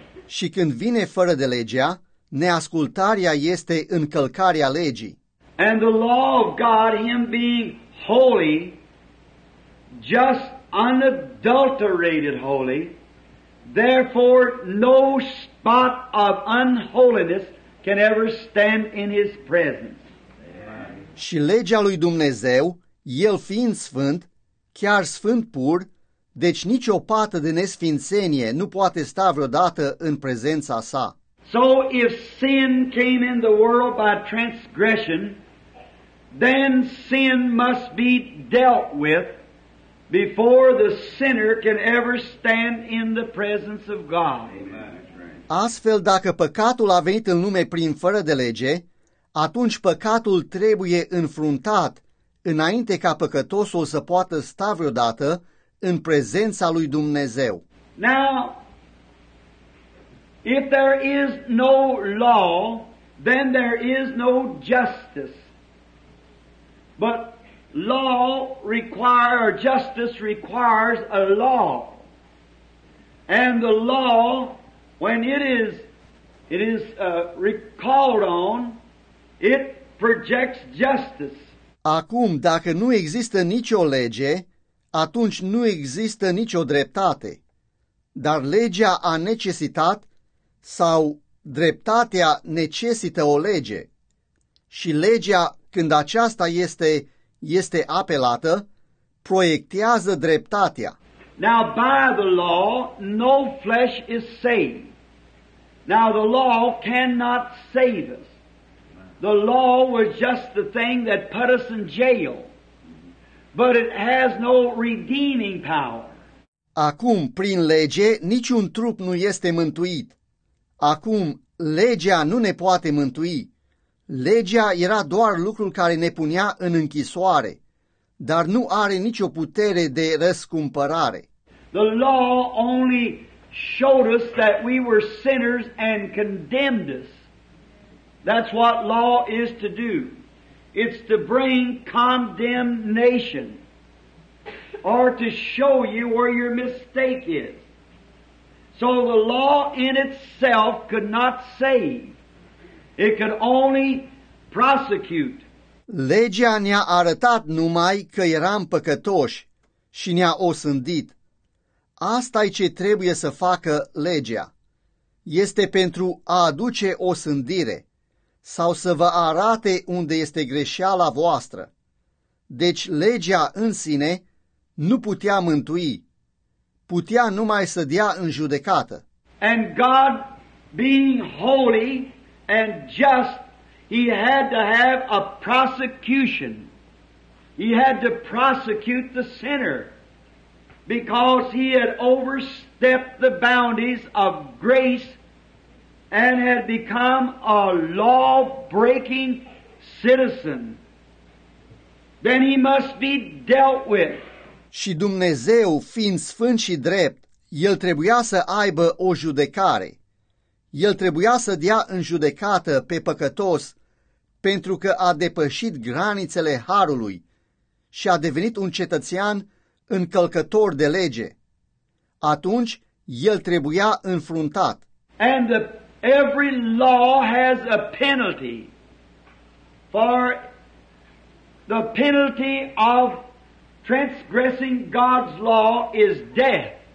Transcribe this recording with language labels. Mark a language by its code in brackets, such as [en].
[ro] Și când vine fără de legea, neascultarea este încălcarea legii. [en] And the law of God, Him being holy, just unadulterated holy, therefore no spot of unholiness can ever stand in His presence. [ro] Și legea lui Dumnezeu, El fiind sfânt, chiar sfânt pur, deci nici o pată de nesfințenie nu poate sta vreodată în prezența sa. [en] So if sin came in the world by transgression, then sin must be dealt with before the sinner can ever stand in the presence of God. [ro] Astfel, dacă păcatul a venit în lume prin fără de lege, atunci păcatul trebuie înfruntat înainte ca păcătosul să poată sta vreodată în prezența lui Dumnezeu. [en] Now, if there is no law, then there is no justice. But law requires, justice requires a law. And the law, when it is recalled on, it projects justice. [ro] Acum, dacă nu există nicio lege, atunci nu există nicio dreptate. Dar legea a necesitat sau dreptatea necesită o lege. Și legea, când aceasta este apelată, proiectează dreptatea. [en] Now by the law, no flesh is saved. Now the law cannot save us. The law was just the thing that put us in jail. But it has no redeeming power. [ro] Acum, prin lege, niciun trup nu este mântuit. Acum, legea nu ne poate mântui. Legea era doar lucrul care ne punea în închisoare, dar nu are nicio putere de răscumpărare. [en] The law only showed us that we were sinners and condemned us. That's what law is to do. It's to bring condemnation. Or to show you where your mistake is. So the law in itself could not save. It could only prosecute. [ro] Legea ne-a arătat numai că eram păcătoși și ne-a osândit. Asta-i ce trebuie să facă legea. Este pentru a aduce osândire sau să vă arate unde este greșeala voastră. Deci legea în sine nu putea mântui, putea numai să dea în judecată. [en] And God being holy and just, he had to have a prosecution. He had to prosecute the sinner because he had overstepped the boundaries of grace and had become a law-breaking citizen. Then he must be dealt with. [ro] Și Dumnezeu, fiind sfânt și drept, El trebuia să aibă o judecare. El trebuia să dea în judecată pe păcătos pentru că a depășit granițele harului și a devenit un cetățean încălcător de lege. Atunci, El trebuia înfruntat. [en] And every law has a penalty for the penalty of transgressing God's law is death.